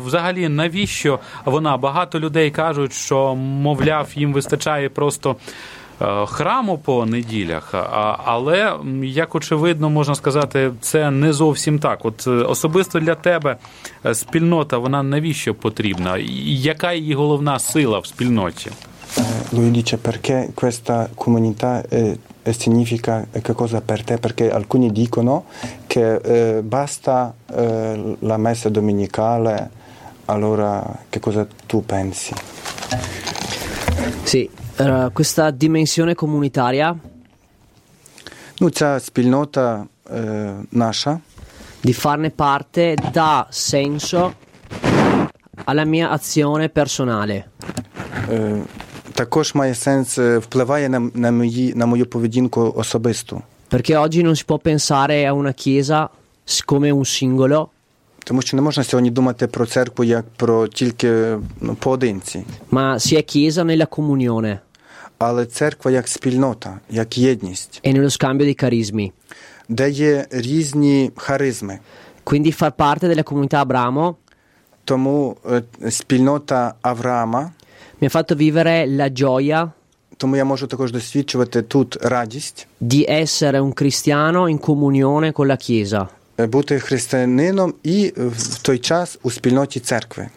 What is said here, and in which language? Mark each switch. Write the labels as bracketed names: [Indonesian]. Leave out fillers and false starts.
[Ukrainian] Взагалі, навіщо вона? Багато людей кажуть, що, мовляв, їм вистачає просто храму по неділях, але, як очевидно, можна сказати, це не зовсім так. От особисто для тебе спільнота, вона навіщо потрібна? Яка її головна сила в спільноті? [Italian] Luigi, perché questa comunità significa che cosa per te? Perché alcuni dicono che basta la messa domenicale, allora che cosa tu pensi? Sì. Questa dimensione comunitaria. [Ukrainian] Ну, ця спільнота наша. [Italian] Di farne parte dà senso alla mia azione personale. [Ukrainian] Також має сенс, впливає на мою поведінку особисту. [Italian] Perché oggi non si può pensare a una chiesa come un singolo. [Ukrainian] Тому що не можна сьогодні думати про церкву як про тільки поодинці. [Italian] Ma si è chiesa nella comunione. [Ukrainian] Але церква як спільнота, як єдність. [Italian] E nello scambio di carismi. [Ukrainian] Де є різні харизми. [Italian] Quindi far parte della comunità Abramo. [Ukrainian] Тому спільнота Авраама. [Italian] Mi ha fatto vivere la gioia. [Ukrainian] Тому я можу також досвідчувати тут радість. [Italian] Di essere un cristiano in comunione con la Chiesa. [Ukrainian] Бути християнином і в той час у спільноті церкви.